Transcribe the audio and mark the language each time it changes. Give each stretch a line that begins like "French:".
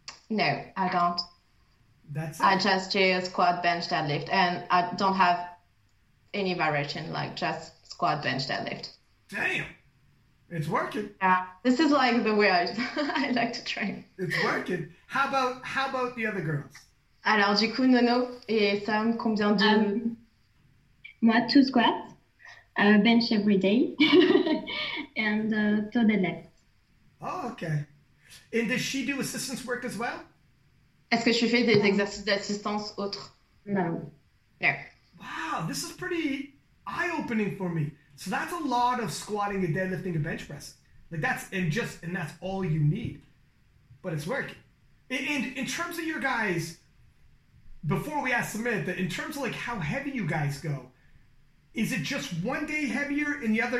English: No, I don't. That's I it. just do squat, bench, deadlift, and I don't have any variation, like just squat, bench, deadlift. Damn, it's working. Yeah, this is like the way I like to train. It's working. How about the other girls?
French: Alors, du coup, Nono et Sam, combien de.
English: Moi, 2 squats, bench every day, and toe deadlift. Oh, okay. And does she do assistance work as well?
French: Est-ce que tu fais des exercices d'assistance autres? Non. Non.
English: Wow, this is pretty eye-opening for me. So that's a lot of squatting and deadlifting and bench pressing. Like that's and that's all you need. But it's working. In terms of your guys, before we ask Samantha, in terms of like how heavy you guys go, is it just one day heavier and the other?